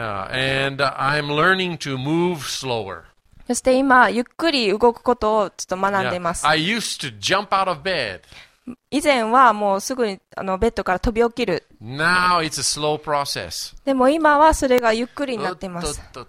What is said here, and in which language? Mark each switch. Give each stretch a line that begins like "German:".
English: Yeah, and I'm learning to move slower.
Japanese: そして今ゆっくり動くことをちょっと学んでます。
English: Yeah, I used to jump out of bed.
Japanese: 以前はもうすぐにベッドから飛び起きる。
English: Now it's a slow process.
Japanese: でも今はそれがゆっくりになっています。